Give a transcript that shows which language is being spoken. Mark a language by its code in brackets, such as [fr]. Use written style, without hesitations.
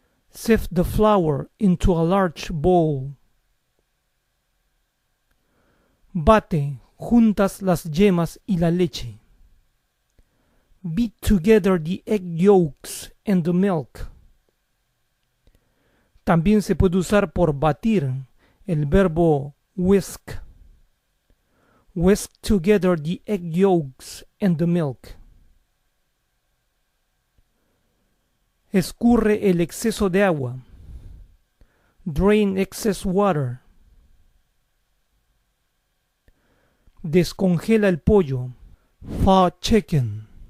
[en] Sift the flour into a large bowl. [es] Bate juntas las yemas y la leche. [en] Beat together the egg yolks and the milk. [es] También se puede usar por batir el verbo whisk. [en] Whisk together the egg yolks and the milk. [es] Escurre el exceso de agua. [en] Drain excess water. [es] Descongela el pollo. [en] Thaw chicken.